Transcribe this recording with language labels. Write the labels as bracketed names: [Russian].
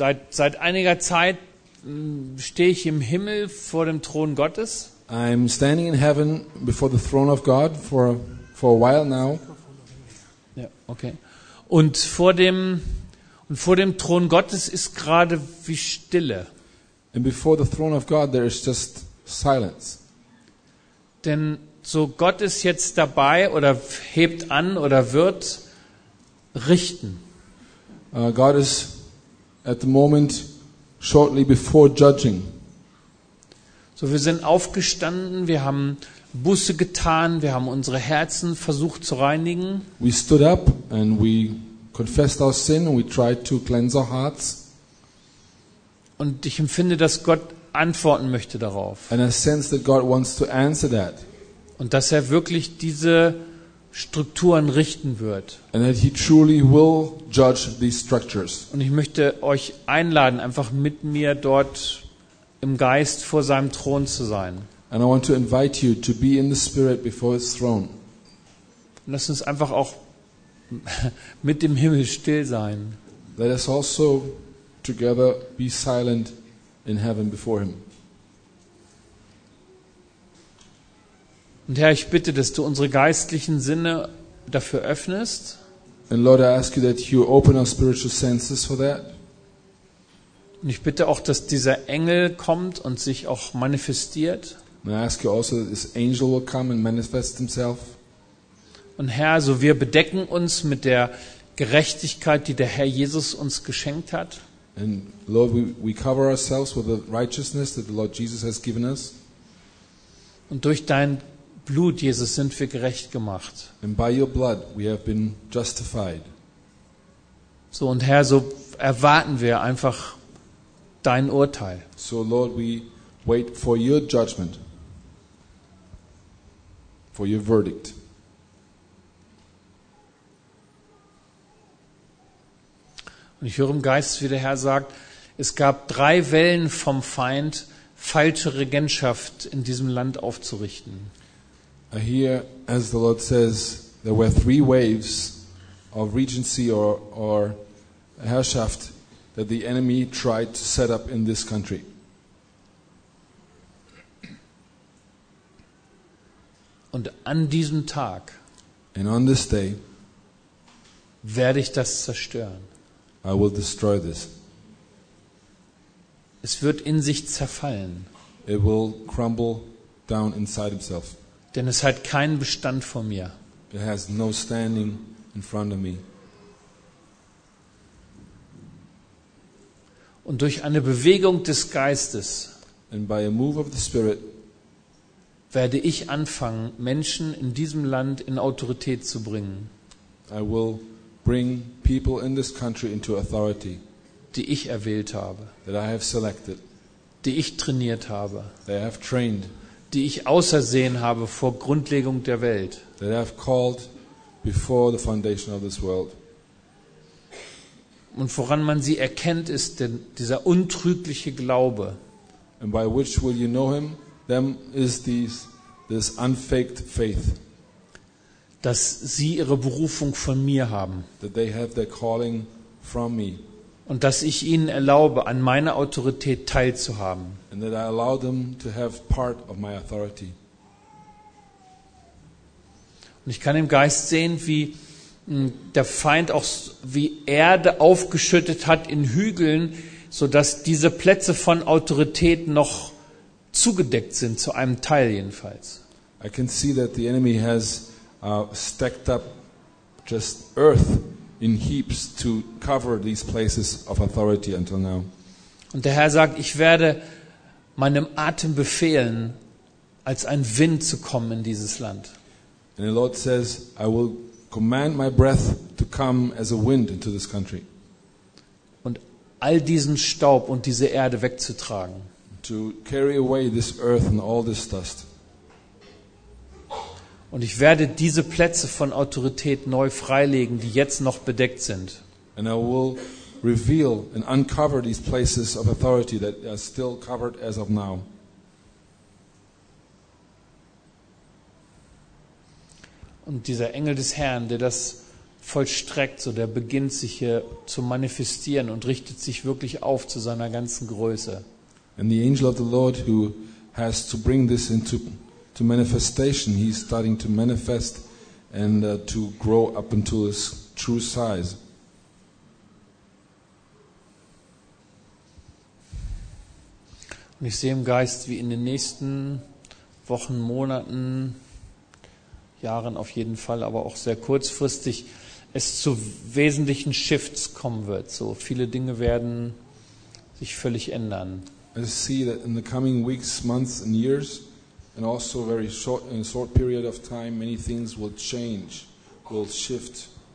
[German] Seit einiger Zeit stehe ich im Himmel vor dem Thron Gottes. [English] I'm standing in heaven before the throne of God for a while now. Ja, okay. [German] Und vor dem Thron Gottes ist gerade wie Stille. [English] And before the throne of God there is just silence. [German] Denn so Gott ist jetzt dabei oder hebt an oder wird richten. [English] God is at the moment shortly before judging. [German] So, wir sind aufgestanden, wir haben Buße getan, wir haben unsere Herzen versucht zu reinigen. [English] We stood up and we confessed our sin and we tried to cleanse our hearts. [German] Und ich empfinde, dass Gott antworten möchte darauf. [English] And I sense that God wants to answer that. [German] Und dass er wirklich diese Strukturen richten wird. [English] And that he truly will judge these structures. [German] Und ich möchte euch einladen, einfach mit mir dort im Geist vor seinem Thron zu sein. [English] And I want to invite you to be in the spirit before his throne. [German] Lass uns einfach auch mit dem Himmel still sein. [English] Let us also together be silent in heaven before him. [German] Und Herr, ich bitte, dass du unsere geistlichen Sinne dafür öffnest. [English] And Lord, I ask you that you open our spiritual senses for that. [German] Und ich bitte auch, dass dieser Engel kommt und sich auch manifestiert. [English] And I ask you also that this angel will come and manifest himself. [German] Und Herr, so wir bedecken uns mit der Gerechtigkeit, die der Herr Jesus uns geschenkt hat. [English] And Lord, we cover ourselves with the righteousness that the Lord Jesus has given us. [German] Und durch dein Blut, Jesus, sind wir gerecht gemacht. [English] And by your blood we have been justified. [German] So, und Herr, so erwarten wir einfach dein Urteil. [English] So, Lord, we wait for your judgment, for your verdict. [German] Und ich höre im Geist, wie der Herr sagt, es gab drei Wellen vom Feind, falsche Regentschaft in diesem Land aufzurichten. [English] I hear, as the Lord says, there were three waves of regency or [German] Herrschaft [English] that the enemy tried to set up in this country. [German] Und an diesem Tag, [English] and on this day, [German] werde ich das zerstören. [English] I will destroy this. [German] Es wird in sich zerfallen. [English] It will crumble down inside itself. [German] Denn es hat keinen Bestand vor mir. [English] It has no standing in front of me. [German] Und durch eine Bewegung des Geistes, [English] and by a move of the Spirit, [German] werde ich anfangen, Menschen in diesem Land in Autorität zu bringen. [English] I will bring people in this country into authority, [German] die ich erwählt habe, [English] that I have selected, [German] die ich trainiert habe, [English] that I have trained, [German] die ich ausersehen habe vor Grundlegung der Welt, [English] that I have called before the foundation of this world. [German] Und woran man sie erkennt, ist denn dieser untrügliche Glaube. [English] And by which will you know him? Them is this unfaked faith. [German] Dass sie ihre Berufung von mir haben. [English] That they have their calling from me. [German] Und dass ich ihnen erlaube, an meiner Autorität teilzuhaben. [English] And that I allow them to have part of my authority. [German] Und ich kann im Geist sehen, wie der Feind auch wie Erde aufgeschüttet hat in Hügeln, sodass diese Plätze von Autorität noch zugedeckt sind, zu einem Teil jedenfalls. [English] I can see that the enemy has stacked up just earth in heaps to cover these places of authority until now. [German] Und der Herr sagt, ich werde meinem Atem befehlen, als ein Wind zu kommen in dieses Land. [English] And the Lord says, I will command my breath to come as a wind into this country. [German] Und all diesen Staub und diese Erde wegzutragen. [English] To carry away this earth and all this dust. [German] Und ich werde diese Plätze von Autorität neu freilegen, die jetzt noch bedeckt sind. [English] And I will reveal and uncover these places of authority that are still covered as of now. [German] Und dieser Engel des Herrn, der das vollstreckt, so der beginnt sich hier zu manifestieren und richtet sich wirklich auf zu seiner ganzen Größe. [English] And the angel of the Lord who has to bring this into manifestation, he's starting to manifest and to grow up into his true size. [German] Und ich sehe im Geist, wie in den nächsten Wochen, Monaten, Jahren auf jeden Fall, aber auch sehr kurzfristig, es zu wesentlichen Shifts kommen wird. So viele Dinge werden sich völlig ändern. [English] I see that in the coming weeks, months and years, and also very short, in a short period of time, many things will change, will shift.